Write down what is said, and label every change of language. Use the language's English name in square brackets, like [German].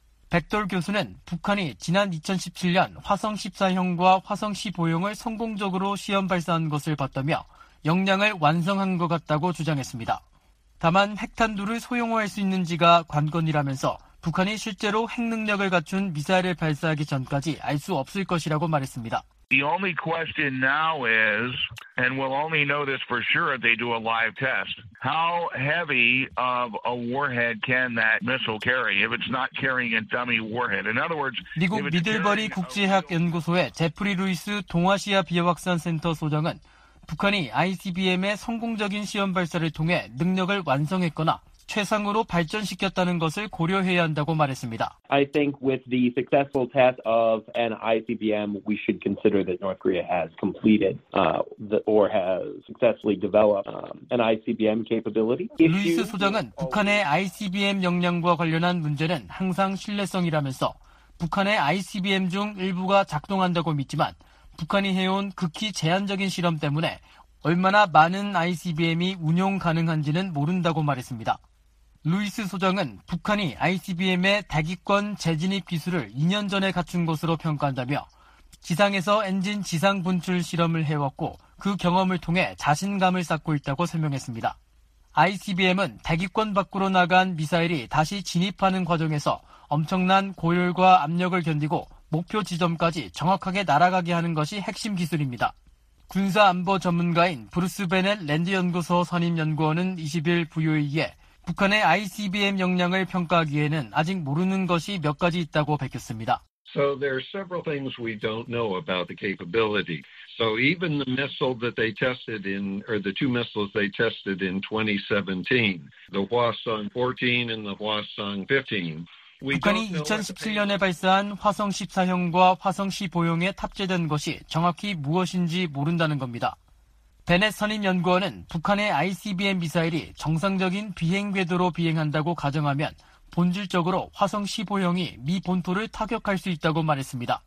[Korean] 벡톨 교수는 북한이 지난 2017년 화성 14형과 화성 15형을 성공적으로 시험 발사한 것을 봤다며 역량을 완성한 것 같다고 주장했습니다. 다만 핵탄두를 소형화할 수 있는지가 관건이라면서 북한이 실제로 핵 능력을 갖춘 미사일을 발사하기 전까지 알 수 없을 것이라고 말했습니다. [English] The only question now is, and we'll only know this for sure if they do a live test, how heavy of a warhead can that missile carry if it's not carrying a dummy warhead? In other words, [Korean] 미국 미들버리 국제학연구소의 제프리 루이스 동아시아 비핵확산 센터 소장은 북한이 ICBM의 성공적인 시험 발사를 통해 능력을 완성했거나 최상으로 발전시켰다는 것을 고려해야 한다고 말했습니다. [English] I think with the successful test of an ICBM, we should consider that North Korea has completed or has successfully developed an ICBM capability. [Korean] 루이스 소장은 북한의 ICBM 역량과 관련한 문제는 항상 신뢰성이라면서 북한의 ICBM 중 일부가 작동한다고 믿지만 북한이 해온 극히 제한적인 실험 때문에 얼마나 많은 ICBM이 운용 가능한지는 모른다고 말했습니다. 루이스 소장은 북한이 ICBM의 대기권 재진입 기술을 2년 전에 갖춘 것으로 평가한다며 지상에서 엔진 지상 분출 실험을 해왔고 그 경험을 통해 자신감을 쌓고 있다고 설명했습니다. ICBM은 대기권 밖으로 나간 미사일이 다시 진입하는 과정에서 엄청난 고열과 압력을 견디고 목표 지점까지 정확하게 날아가게 하는 것이 핵심 기술입니다. 군사 안보 전문가인 브루스 베넷 랜드 연구소 선임 연구원은 20일 VOA에 북한의 ICBM 역량을 평가하기에는 아직 모르는 것이 몇 가지 있다고 밝혔습니다. [English] So there are several things we don't know about the capability. So even the missile that they tested in, or the two missiles they tested in 2017, the Hwasong-14 and the Hwasong-15. [Korean] 북한이 2017년에 발사한 화성 14형과 화성 15형에 탑재된 것이 정확히 무엇인지 모른다는 겁니다. 베넷 선임 연구원은 북한의 ICBM 미사일이 정상적인 비행 궤도로 비행한다고 가정하면 본질적으로 화성 15형이 미 본토를 타격할 수 있다고 말했습니다.